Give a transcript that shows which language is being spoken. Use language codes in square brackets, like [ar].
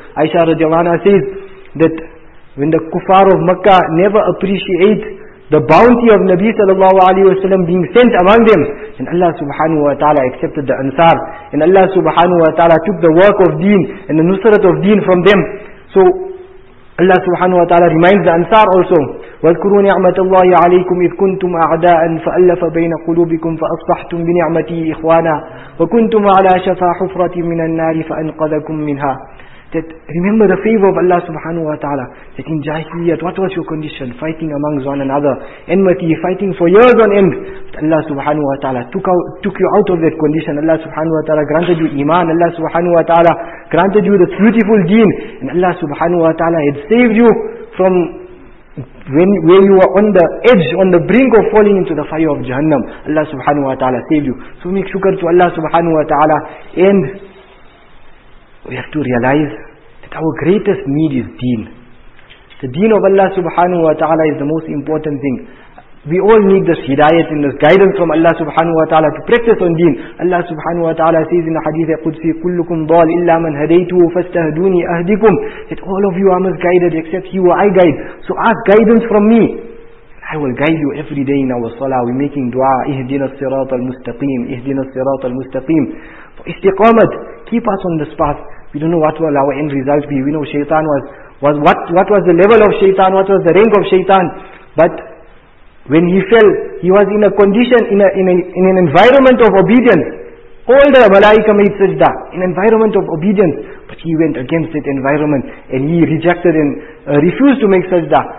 [en] Aisha radiallahu anha says that when the kuffar of Makkah never appreciate the bounty of Nabi sallallahu alayhi wa sallam being sent among them, then Allah subhanahu wa ta'ala accepted the Ansar, and Allah subhanahu wa ta'ala took the work of deen and the nusrat of deen from them. So Allah subhanahu wa ta'ala reminds the Ansar also: [ar] وَاذْكُرُوا نِعْمَةَ اللَّهِ عَلَيْكُمْ إِذْ كُنْتُمْ أَعْدَاءً فَأَلَّفَ بَيْنَ قُلُوبِكُمْ فَأَصْبَحْتُمْ بِنِعْمَتِهِ إِخْوَانًا وَكُنْتُمْ عَلَى شَفَا حُفْرَةٍ مِنَ النَّارِ فَأَنْقَذَكُمْ مِنْهَا. [en] That remember the favor of Allah subhanahu wa ta'ala, that in jahiliyat, what was your condition? Fighting amongst one another, enmity, fighting for years on end. But Allah subhanahu wa ta'ala took you out of that condition. Allah subhanahu wa ta'ala granted you iman. Allah subhanahu wa ta'ala granted you this beautiful deen. And Allah subhanahu wa ta'ala had saved you from when you were on the edge, on the brink of falling into the fire of Jahannam. Allah subhanahu wa ta'ala saved you. So make shukr to Allah subhanahu wa ta'ala. And we have to realize that our greatest need is deen. The deen of Allah subhanahu wa ta'ala is the most important thing. We all need this hidayat and this guidance from Allah subhanahu wa ta'ala to practice on deen. Allah subhanahu wa ta'ala says in the hadith Qudsi, [ar] كُلُّكُمْ ضَالِ إِلَّا مَنْ هَدَيْتُهُ فَاسْتَهْدُونِي أَهْدِكُمْ. [en] That all of you are misguided except you or I guide. So ask guidance from me. I will guide you every day in our salah. We're making dua, [ar] اِهْدِنَا الصِّرَاطَ الْمُسْتَقِيمِ اِهْدِنَا الصِّرَاطَ الْمُسْتَقِيمِ. [en] For istiqamat, keep us on this path. We don't know what will our end result be. We know shaitan what was the level of shaitan, what was the rank of shaitan. But when he fell, he was in a condition, in an environment of obedience. All the malaika made sajda, an environment of obedience. But he went against that environment and he rejected and refused to make sajda.